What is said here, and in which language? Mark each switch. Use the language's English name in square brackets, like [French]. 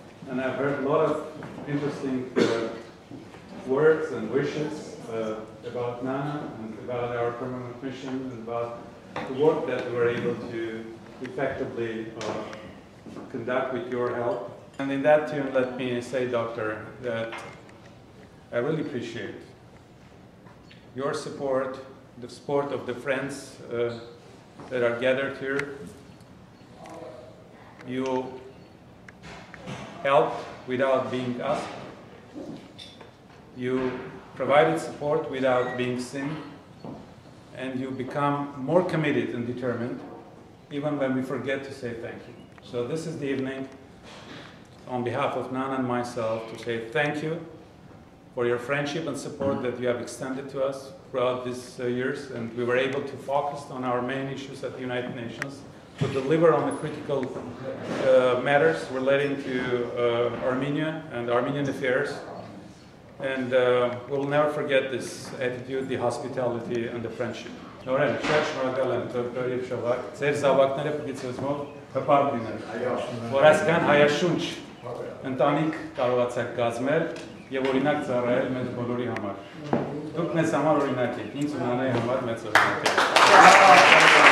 [English] and I've heard a lot of interesting words and wishes about Nana and about our permanent mission and about the work that we were able to effectively conduct with your help. And in that tune, let me say, Doctor, that I really appreciate your support, the support of the friends that are gathered here. You helped without being asked. You provided support without being seen. And you become more committed and determined even when we forget to say thank you. So this is the evening on behalf of Nana and myself to say thank you for your friendship and support that you have extended to us throughout these years. And we were able to focus on our main issues at the United Nations to deliver on the critical matters relating to Armenia and Armenian affairs. And we'll never forget this attitude, the hospitality and the friendship. [Armenian] Նորեն շատ շնորհակալ եմ Դոկտոր Եփշովակ։ Ձեր զավակները փիցեսմով հպարտ դինեն։ Այո, որ այսքան հայաշունչ ընտանիք կարողացեք կազմել եւ օրինակ ծառայել մեզ բոլորի համար։ Դուք մեզ համար օրինակ եք, ինձ ու նանայի համար մեծ օրինակ եք։